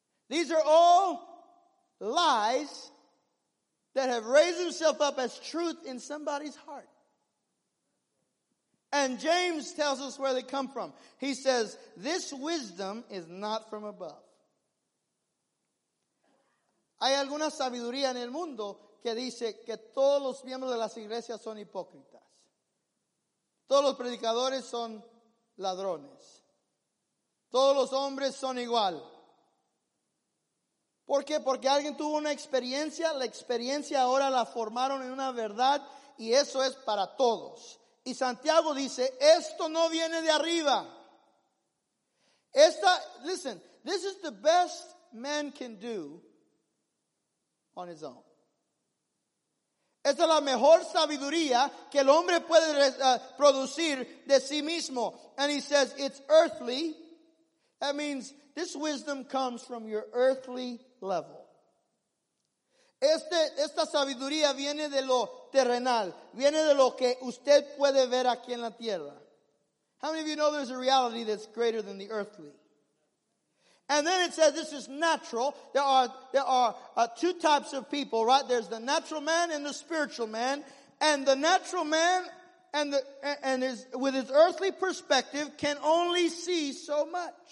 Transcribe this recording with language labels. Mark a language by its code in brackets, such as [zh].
[en] These are all lies that have raised themselves up as truth in somebody's heart. And James tells us where they come from. He says, this wisdom is not from above. [es] Hay alguna sabiduría en el mundo que dice que todos los miembros de las iglesias son hipócritas. Todos los predicadores son ladrones. Todos los hombres son igual. ¿Por qué? Porque alguien tuvo una experiencia, la experiencia ahora la formaron en una verdad y eso es para todos. Y Santiago dice, esto no viene de arriba. [en] Listen, this is the best man can do on his own. [es] Esta es la mejor sabiduría que el hombre puede producir de sí mismo. [en] And he says, it's earthly. That means this wisdom comes from your earthly level. [es] Esta sabiduría viene de lo terrenal. Viene de lo que usted puede ver aquí en la tierra. [en] How many of you know there's a reality that's greater than the earthly? And then it says this is natural. There are two types of people, right? There's the natural man and the spiritual man. And the natural man and with his earthly perspective can only see so much.